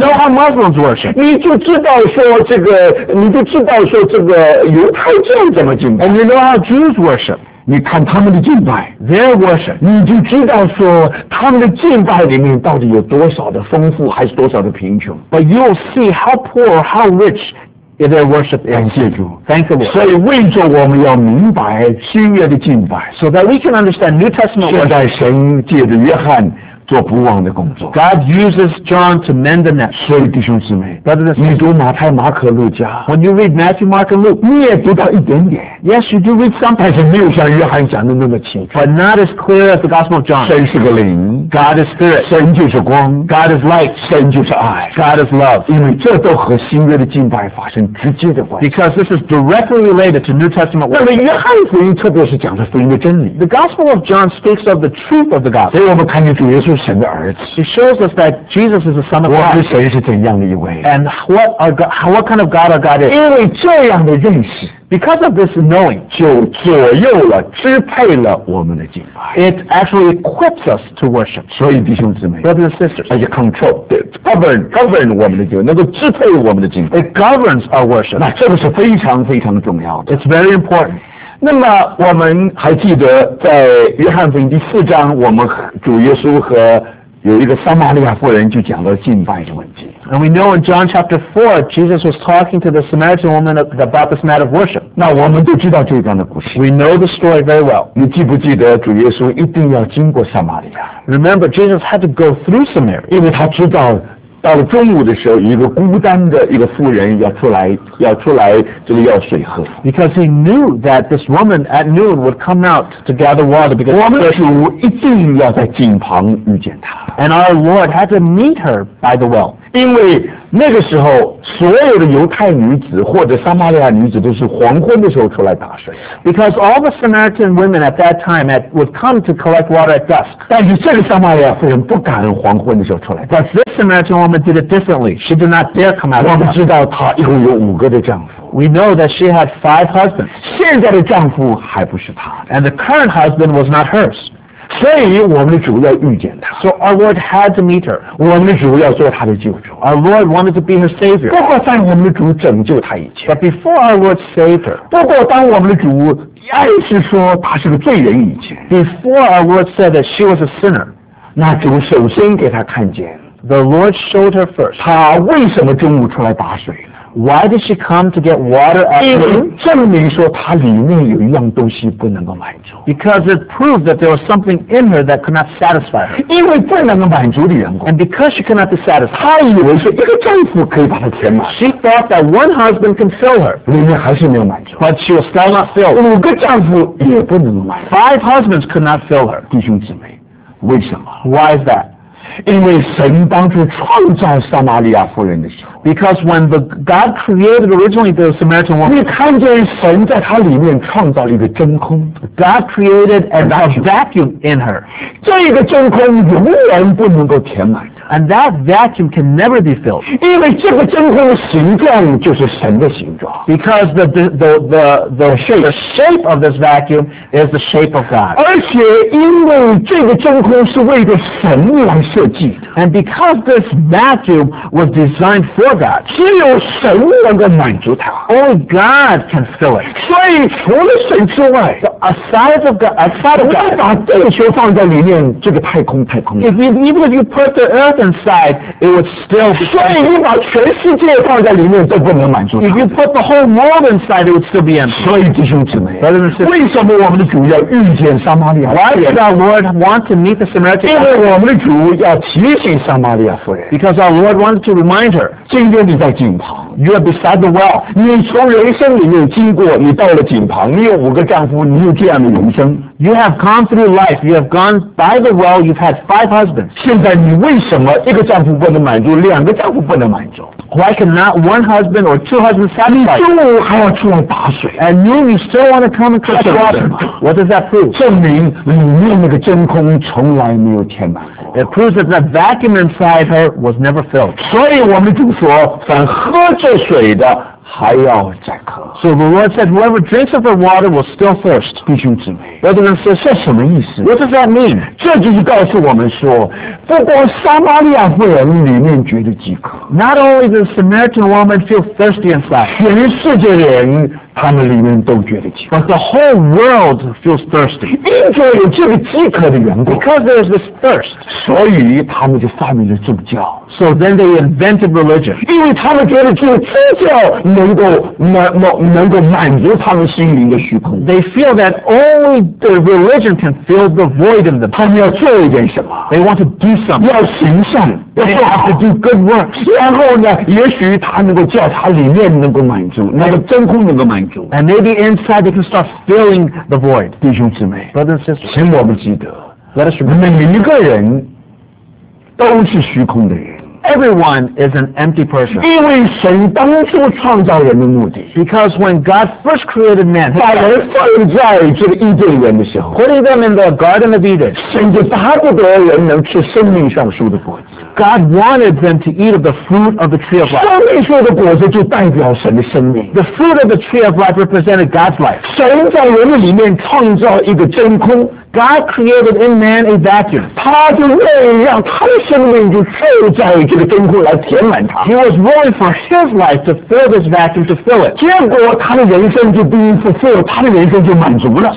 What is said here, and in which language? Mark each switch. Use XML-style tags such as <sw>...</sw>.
<en>you know how Muslims worship</en> <zh>你就知道说这个你就知道说这个犹太教怎么敬拜</zh> <en>and you know how Jews worship</en> <zh>你看他们的敬拜</zh> <en>their worship</en> <zh>你就知道说他们的敬拜里面到底有多少的丰富还是多少的贫穷</zh> <en>but you'll see how poor or how rich their worship is</en> <zh>感谢主</zh> <en>thank the Lord</en> <zh>所以为着我们要明白新约的敬拜</zh> <en>so that we can understand New Testament worship</en> <zh>现在神借着约翰做不忘的工作</zh> <en>God uses John to mend the net</en> <zh>所以弟兄姊妹 你读马太马可路加</zh> <en>when you read Matthew, Mark and Luke</en> <zh>你也读到一点点</zh> <en>yes you do read something</en> <zh>但是没有像约翰讲的那么清楚</zh> <en>but not as clear as the Gospel of John</en> <zh>神是个灵</zh> <en>God is spirit</en> <zh>神就是光</zh> <en>God is light</en> <zh>神就是爱</zh> <en>God is love</en> <zh>因为这都和新约的敬拜发生直接的关系</zh> <en>because this is directly related to New Testament</en> <zh>那么约翰福音特别是讲的福音的真理</zh> <en>the Gospel of John speaks of the truth of the Gospel</en> <zh>所以我们看见主耶稣</zh> <en>It shows us that Jesus is the Son of God.</en> <zh>我们谁是怎样的一位</zh> <en>And what kind of God our God is.</en> <zh>因为这样的认识</zh> <en>Because of this knowing,</en> <zh>就左右了支配了我们的敬拜</zh> <en>It actually equips us to worship.</en> <zh>所以弟兄姊妹</zh> <en>Brothers and sisters.</en> <zh>而且</zh> <en>control, govern</en> <zh>我们的敬拜能够支配我们的敬拜</zh> <en>It governs our worship.</en> <zh>那这个是非常非常重要的</zh> <en>It's very important.</en> <zh>那么我们还记得在约翰福音第四章我们主耶稣和有一个撒玛利亚妇人就讲到敬拜的问题</zh> <en>And we know in John chapter 4 Jesus was talking to the Samaritan woman about this matter of worship</en> <zh>那我们都知道这一段的故事</zh> <en>We know the story very well</en> <zh>你记不记得主耶稣一定要经过撒玛利亚</zh> <en>Remember Jesus had to go through Samaria</en> <zh>因为他知道到了中午的时候，一个孤单的一个妇人要出来这里要水喝。</zh> <en>Because he knew that this woman at noon would come out to gather water because</en> <zh>我们的主一定要在井旁遇见她。</zh> <en>And our Lord had to meet her by the well.</en> <zh>因为那个时候，所有的犹太女子或者撒玛利亚女子都是黄昏的时候出来打水。</zh> <en>Because all the Samaritan women at that time would come to collect water at dusk.</en> <zh>但是这个撒玛利亚妇人不敢黄昏的时候出来打水。</zh> <en>But this Samaritan woman did it differently. She did not dare come out.</en> <zh>我们知道她一共有五个的丈夫。</zh> <en>We know that she had five husbands.</en> <zh>现在的丈夫还不是她。</zh> <en>And the current husband was not hers.</en> <zh>所以我们的主要遇见他</zh> <en>So our Lord had to meet her</en> <zh>我们的主要做他的救主</zh> <en>Our Lord wanted to be her savior</en> <zh>不过在我们的主拯救他以前</zh> <en>But before our Lord saved her</en> <zh>不过当我们的主爱是说他是个罪人以前</zh> <en>Before our Lord said that she was a sinner</en> <zh>那主首先给他看见</zh> <en>The Lord showed her first</en> <zh>他为什么中午出来打水呢</zh> <en>Why did she come to get water at noon?</en> <zh>因为证明说他里面有一样东西不能够满足</zh> <en>Because it proved that there was something in her that could not satisfy her.</en> <zh>因为不能够满足的缘故</zh> <en>And because she could not be satisfied,</en> <zh>她以为是一个丈夫可以把她填满</zh> <en>She thought that one husband can fill her.</en> <zh>里面还是没有满足</zh> <en>But she was still not filled.</en> <zh>五个丈夫也不能够满足</zh> <en>Five husbands could not fill her.</en> <zh>弟兄姊妹，为什么</zh> <en>Why is that?</en> <zh>因为神当初创造撒玛利亚妇人的时候</zh> <en>because when the God created originally the Samaritan woman</en> <zh>你看见神在她里面创造了一个真空</zh> <en>God created a vacuum in her</en> <zh>这个真空永远不能够填满</zh> <en>and that vacuum can never be filled</en> <zh>因为这个真空的形状就是神的形状</zh> <en>because the shape of this vacuum is the shape of God</en> <zh>而且因为这个真空是为着神来设计</zh> <en>and because this vacuum was designed for God</en> <zh>只有神能够满足它</zh> <en>only God can fill it</en> <zh>所以除了神之外</zh> <en>aside of God</en> <zh>把地球放在里面这个太空太空</zh> <en>even if you put the earth inside it would still</en> <zh>所以你把全世界放在里面都不能满足它</zh> <en>if you put the whole world inside it would still be empty</en> <zh>所以弟兄姊妹为什么我们的主要遇见撒玛利亚</zh> <en>Why did our Lord want to meet the Samaritan?</en> <zh>因为我们的主要提醒撒玛利亚妇人</zh> <en>Because our Lord wanted to remind her</en> <zh>今天你在井旁</zh> <en>You are beside the well</en> <zh>你从人生里面经过你到了井旁你有五个丈夫你有这样的人生</zh> <en>You have gone through life You have gone by the well You've had five husbands</en> <zh>现在你为什么一个丈夫不能满足两个丈夫不能满足</zh> <en>Why cannot one husband or two husbands satisfy</en> <zh>你中午还要出来打水</zh> <en>And you still want to come and cook water What does that prove?</en> <zh>证明里面那个真空从来没有填满过。</zh> <en>It proves that the vacuum inside her was never filled.</en> <zh>所以我们就说，凡喝这水的还要再渴。</zh> <en>So the Lord said, whoever drinks of the water will still thirst.</en> <zh>弟兄姊妹</zh> <en>，Brother and sister，</en> <zh>什么意思</zh> <en>？What does that mean？</en> <zh>这就是告诉我们说，不光撒玛利亚妇人里面觉得饥渴</zh> <en>，Not only the Samaritan woman feel thirsty inside，</en> <zh>全世界人。他们里面都觉得饥渴</zh> <en>But the whole world feels thirsty</en> <zh>因为有这个饥渴的缘故</zh> <en>Because there is this thirst</en> <zh>所以他们就发明了宗教</zh> <en>So then they invented religion</en> <zh>因为他们觉得只有宗教能够满足他们心灵的虚空</zh> <en>They feel that only the religion can fill the void in them</en> <zh>他们要做一点什么</zh> <en>They want to do something</en> <zh>要行善</zh> <en>They have to do good works</en> <zh>然后呢也许他能够叫他里面能够满足那个真空能够满足</zh> <en>And maybe inside they can start filling the void.</en> <zh>弟兄姊妹</zh> <en>Brothers and sisters</en> <zh>请我们记得</zh> <en>Let us remember</en> <zh>每一个人都是虚空的人</zh> <en>Everyone is an empty person</en> <zh>因为神当初创造人的目的</zh> <en>Because when God first created man</en> <zh>把人放在这个伊甸园的时候</zh> <en>Putting them in the Garden of Eden</en> <zh>神就巴不得人能吃生命上树的果子</zh> <en>God wanted them to eat of the fruit of the tree of life</en> <zh>生命树的果子就代表神的生命</zh> <en>The fruit of the tree of life represented God's life</en> <zh>神在人里面创造一个真空</zh> <en>God created in man a vacuum.</en> <zh>他就为让他的生命就受在这个真空来填满他。</zh> <en>He was willing for his life to fill this vacuum to fill it.</en> <zh>结果他的人生就被fulfilled，他的人生就满足了。</zh>